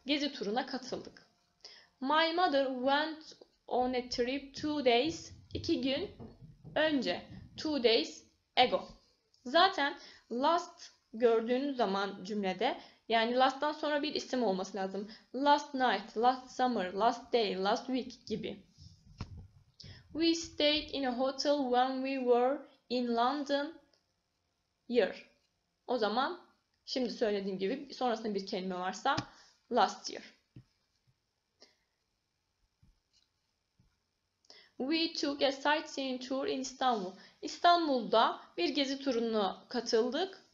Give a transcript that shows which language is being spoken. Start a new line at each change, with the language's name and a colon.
Turkish: Gezi turuna katıldık.
English: My mother went on a trip 2 days.
Turkish: 2 gün önce.
English: 2 days ago.
Turkish: Zaten last gördüğünüz zaman cümlede, yani last'tan sonra bir isim olması lazım.
English: Last night, last summer, last day, last week gibi. We stayed in a hotel when we were in London. Year.
Turkish: O zaman şimdi söylediğim gibi sonrasında bir kelime varsa last year.
English: We took a sightseeing tour in Istanbul.
Turkish: İstanbul'da bir gezi turuna katıldık.